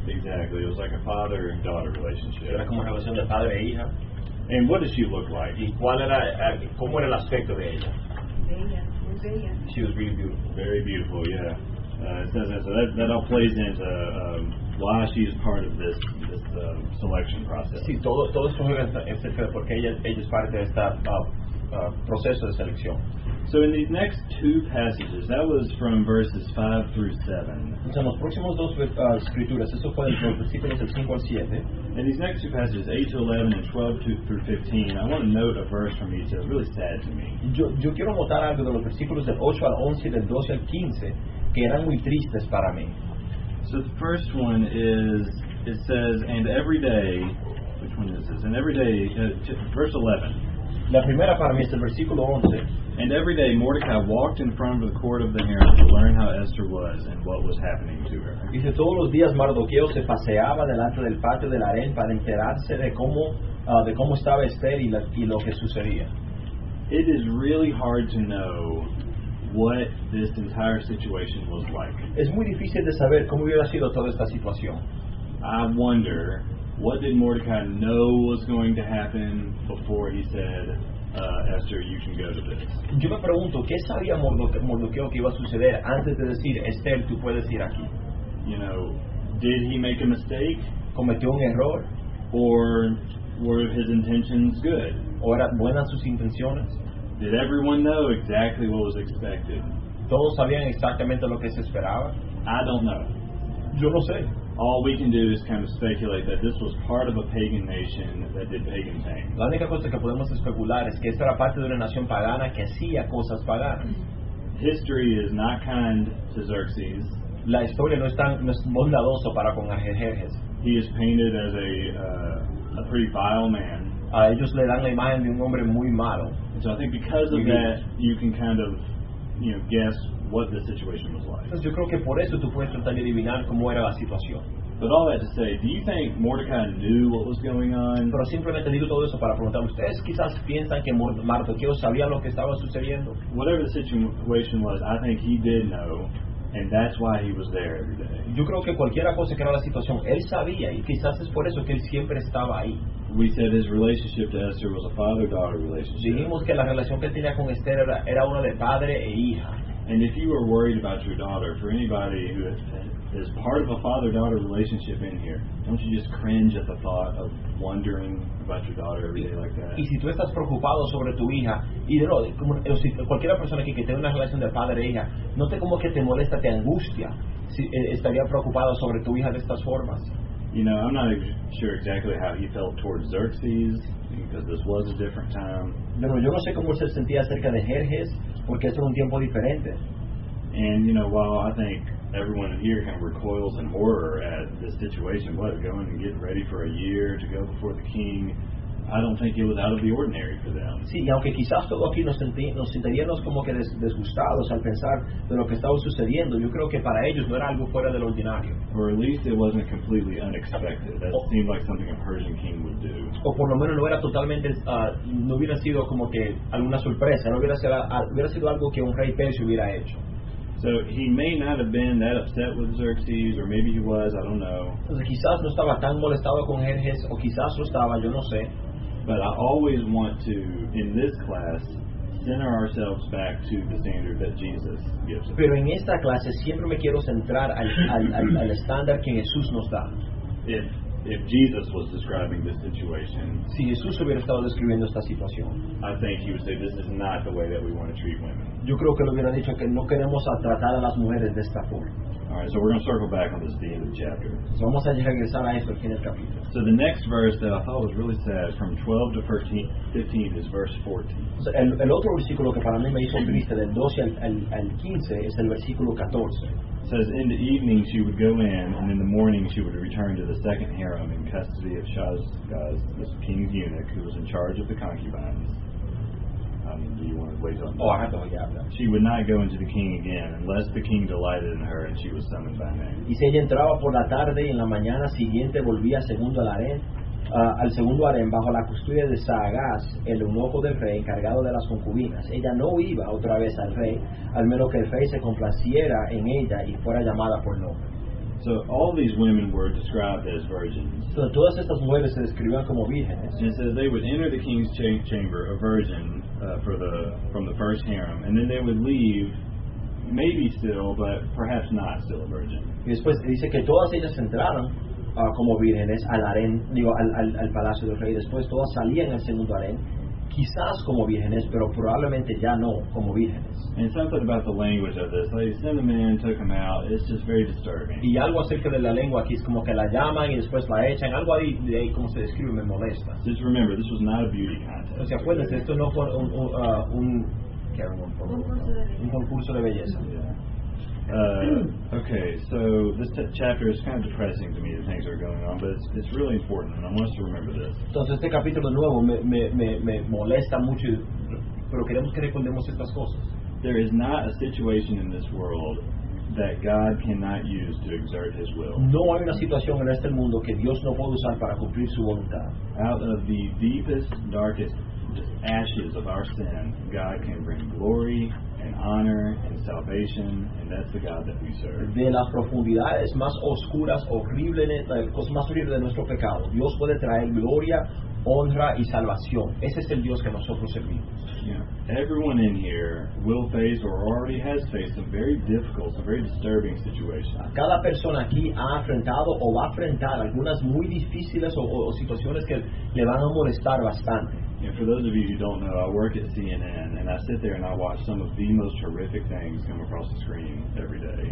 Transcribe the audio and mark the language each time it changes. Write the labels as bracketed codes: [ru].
[en] Exactly. It was like a father and daughter relationship. [es] Era como una relación de padre e hija. [en] And what did she look like? [es] ¿Y cuál era, cómo era el aspecto de ella? Bella. [en] She was really beautiful. Very beautiful, yeah. It says that. So that all plays into why she is part of this selection process. [es] Sí, todo esto juega en porque ella es parte de este proceso de selección. [en] So in these next two passages, that was from verses 5 through 7. [es] Entonces en los próximos dos escrituras, eso fue entre los versículos 5 al 7. [en] In these next two passages, 8 to 11 and 12 through 15, I want to note a verse from each. It's really sad to me. [es] Yo quiero notar algo de los versículos del 8 al 11 y del 12 al 15, que eran muy tristes para mí. [en] So the first one is, it says, and every day, which one is this? And every day, verse 11. [es] La primera para mí es el versículo 11. [en] And every day Mordecai walked in front of the court of the harem to learn how Esther was and what was happening to her. [es] Dice, todos los días Mardoqueo se paseaba delante del patio del harem para enterarse de cómo estaba Esther y lo que sucedía. [en] It is really hard to know what this entire situation was like. [es] Es muy difícil de saber cómo hubiera sido toda esta situación. [en] I wonder, what did Mordecai know was going to happen before he said, Esther, you can go to this? [es] Yo me pregunto, ¿qué sabía Mordoqueo que iba a suceder antes de decir, Esther, tú puedes ir aquí? [en] You know, did he make a mistake? [es] ¿Cometió un error? [en] Or were his intentions good? [es] ¿O eran buenas sus intenciones? [en] Did everyone know exactly what was expected? [es] ¿Todos sabían exactamente lo que se esperaba? [en] I don't know. [es] Yo no sé. [en] All we can do is kind of speculate that this was part of a pagan nation that did pagan things. [es] La única cosa que podemos especular es que esta era parte de una nación pagana que hacía cosas paganas. [en] History is not kind to Xerxes. [es] La historia no es bondadoso para con Jerjes. [en] He is painted as a a pretty vile man. [es] Ellos le dan la imagen de un hombre muy malo. [en] And so I think because of that, you can kind of, you know, guess what the situation was like. [es] Entonces yo creo que por eso tú puedes tratar de adivinar cómo era la situación. [en] But all that to say, do you think Mordecai knew what was going on? [es] Pero simplemente digo todo eso para preguntar, ¿ustedes quizás piensan que Mardoqueo sabía lo que estaba sucediendo? [en] Whatever the situation was, I think he did know, and that's why he was there every day. [es] Yo creo que cualquiera cosa que era la situación, él sabía, y quizás es por eso que él siempre estaba ahí. [en] We said his relationship to Esther was a father-daughter relationship. [es] Dijimos que la relación que tenía con Esther era una de padre e hija. [en] And if you were worried about your daughter, for anybody who has been, is part of a father-daughter relationship in here. Don't you just cringe at the thought of wondering about your daughter every day like that? [es] Y si tú estás preocupado sobre tu hija, y de nuevo, como, si cualquier persona aquí que tenga una relación de padre e hija, no te como que te molesta, te angustia, si, estaría preocupado sobre tu hija de estas formas. [en] You know, I'm not sure exactly how he felt towards Xerxes, because this was a different time. [es] Bueno, yo no sé cómo se sentía acerca de Jerjes, porque es un tiempo diferente. [en] And, you know, while I think everyone here kind of recoils in horror at this situation, what, going and getting ready for a year to go before the king, I don't think it was out of the ordinary for them. [es] Sí, y aunque quizás todo aquí nos sentiríamos como que desgustados al pensar de lo que estaba sucediendo, yo creo que para ellos no era algo fuera del ordinario. [en] Or at least it wasn't completely unexpected. That seemed like something a Persian king would do. [es] O por lo menos no era totalmente, no hubiera sido como que alguna sorpresa, no hubiera sido, hubiera sido algo que un rey persa hubiera hecho. [en] So he may not have been that upset with Xerxes, or maybe he was, I don't know. [es] Quizás no estaba tan molestado con Jerjes, o quizás lo estaba, yo no sé. [en] But I always want to, in this class, center ourselves back to the standard that Jesus gives us. [es] Pero en esta clase siempre me quiero centrar al estándar que Jesús nos da. [en] If Jesus was describing this situation, [es] si Jesús hubiera estado describiendo esta situación, [en] I think he would say this is not the way that we want to treat women. [es] Yo creo que lo hubiera dicho que no queremos tratar a las mujeres de esta forma. [en] All right, so we're going to circle back on this at the end of the chapter. [es] So vamos a regresar a esto aquí en el capítulo. [en] So the next verse that I thought was really sad, from 12 to 15, is verse 14. [es] So el otro versículo que para mí me hizo triste, del 12 al 15, es el versículo 14. [en] Says, in the evening she would go in, and in the morning she would return to the second harem in custody of Shazgaz, the king's eunuch, who was in charge of the concubines. Do you want to wait on that? Oh, I have to wait on that. She would not go into the king again, unless the king delighted in her and she was summoned by name. [es] Y si ella entraba por la tarde, y en la mañana siguiente volvía al segundo harem bajo la custodia de Shazgaz, el eunuco del rey encargado de las concubinas. Ella no iba otra vez al rey, al menos que el rey se complaciera en ella y fuera llamada por nombre. [en] So all these women were described as virgins. [es] So todas estas mujeres se describían como vírgenes. [en] And it says they would enter the king's chamber, a virgin, from the first harem, and then they would leave, maybe still, but perhaps not still a virgin. [es] Y después dice que todas ellas entraron como vírgenes al palacio del rey. Después todas salían al segundo harem, quizás como vírgenes, pero probablemente ya no como vírgenes. [en] And something about the language of this, they send them in, took them out. It's just very disturbing. [es] Y algo acerca de la lengua aquí es como que la llaman y después la echan. Algo ahí de ahí como se describe me molesta. [en] Just remember, this was not a beauty contest. [es] O sea, acuérdense, esto no fue un concurso de belleza. [en] Yeah. Okay, so this chapter is kind of depressing to me, the things that are going on, but it's really important, and I want us to remember this. [es] Entonces este capítulo de nuevo me molesta mucho, pero queremos que recordemos estas cosas. [en] There is not a situation in this world that God cannot use to exert His will. [es] No hay una situación en este mundo que Dios no pueda usar para cumplir su voluntad. [en] Out of the deepest, darkest ashes of our sin, God can bring glory and honor and salvation, and that's the God that we serve. [es] De las profundidades más oscuras, horribles, más horribles de nuestro pecado, Dios puede traer gloria, honra y salvación. Ese es el Dios que nosotros servimos. [en] Yeah. Everyone in here will face or already has faced some very difficult, some very disturbing situations. [es] Cada persona aquí ha enfrentado o va a enfrentar algunas muy difíciles o situaciones que le van a molestar bastante. [en] And for those of you who don't know, I work at CNN, and I sit there and I watch some of the most horrific things come across the screen every day.